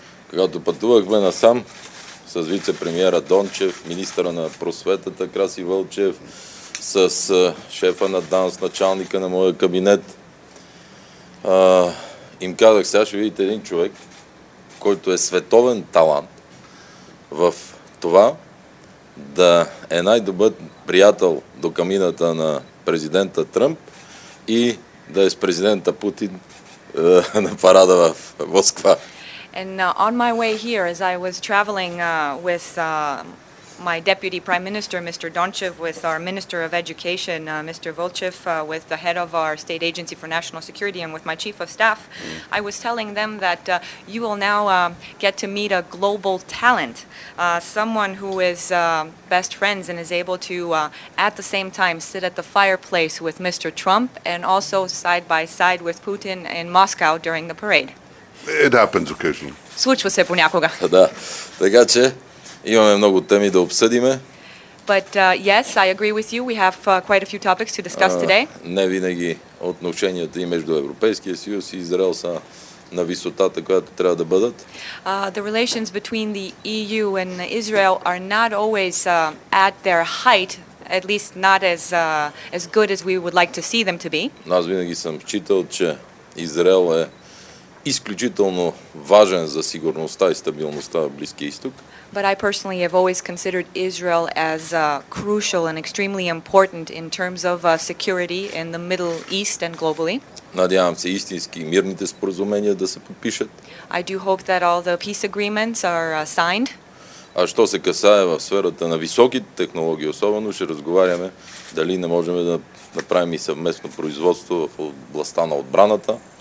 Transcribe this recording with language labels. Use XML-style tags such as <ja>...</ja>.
<bg>Когато пътувахме насам с вице-премиера Дончев, министъра на просветата Краси Вълчев, с шефа на ДАНС, началника на моя кабинет, им казах, сега ще видите един човек, който е световен талант в това да е най-добър приятел до камината на президента Тръмп и да е с президента Путин на парада в Москва.</bg> <en>And on my way here, as I was traveling with my deputy prime minister, Mr. Dončev, with our minister of education, Mr. Volchev, with the head of our state agency for national security, and with my chief of staff, I was telling them that you will now get to meet a global talent, someone who is best friends and is able to, at the same time, sit at the fireplace with Mr. Trump and also side by side with Putin in Moscow during the parade. It happens occasionally.</en> <bg>Случва се понякога. Да, така че имаме много теми да обсъдиме.</bg> <en>But yes, I agree with you. We have quite a few topics to discuss today.</en> <bg>Не винаги отношенията и между Европейския съюз и Израел са на висотата, която трябва да бъдат.</bg> <en>The relations between the EU and Israel are not always at their height, at least not as good as we would like to see them to be.</en> <bg>Но аз винаги съм считал, че Израел е изключително важен за сигурността и стабилността в Близкия изток.</bg> <en>But I personally have always considered Israel as crucial and extremely important in terms of security in the Middle East and globally.</en> <bg>Надявам се истински мирните споразумения да се подпишат.</bg> <en>I do hope that all the peace agreements are signed.</en> <bg>А що се касае в сферата на високите технологии, особено ще разговаряме дали не можем да направим и съвместно производство в областта на отбраната.</bg>